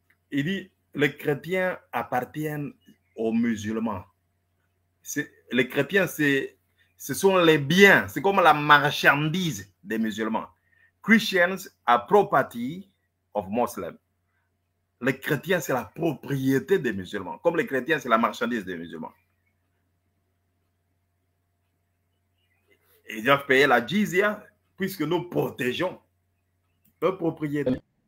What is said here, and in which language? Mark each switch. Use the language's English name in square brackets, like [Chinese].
[French] Il dit, les chrétiens appartiennent aux musulmans. Les chrétiens, c'est ce sont les biens, c'est comme la marchandise des musulmans. [English] Christians are property of Muslims. [French] Les chrétiens, c'est la propriété des musulmans. Comme les chrétiens, c'est la marchandise des musulmans. Ils doivent payer la jizya puisque nous protégeons leur propriété.